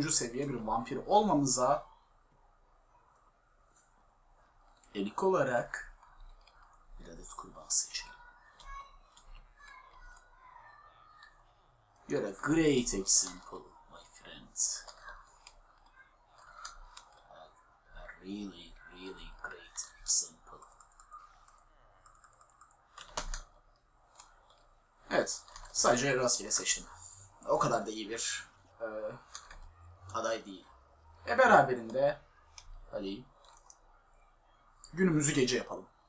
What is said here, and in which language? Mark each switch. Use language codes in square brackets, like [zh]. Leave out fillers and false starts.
[tr] seviye bir vampir olmamıza. İlk olarak bir adet kurban seçelim. [en] You're a great example, my friend. A really, really great example. [tr] Evet, sadece rastgele seçtim. o kadar da iyi bir aday değil. E beraberinde hadi günümüzü gece yapalım.